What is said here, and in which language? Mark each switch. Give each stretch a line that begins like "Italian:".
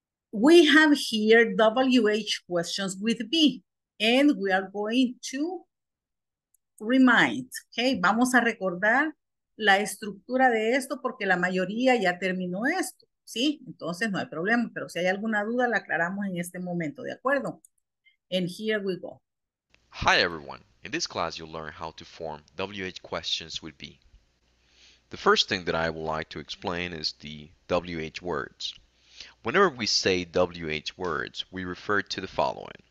English: We have here WH questions with B, and we are going to remind, okay?
Spanish: Vamos a recordar la estructura de esto porque la mayoría ya terminó esto, ¿sí? Entonces no hay problema, pero si hay alguna duda la aclaramos en este momento, ¿de acuerdo?
English: And here we go. Hi everyone. In this class you'll learn how to form WH questions with B. The first thing that I would like to explain is the WH words. Whenever we say WH words, we refer to the following.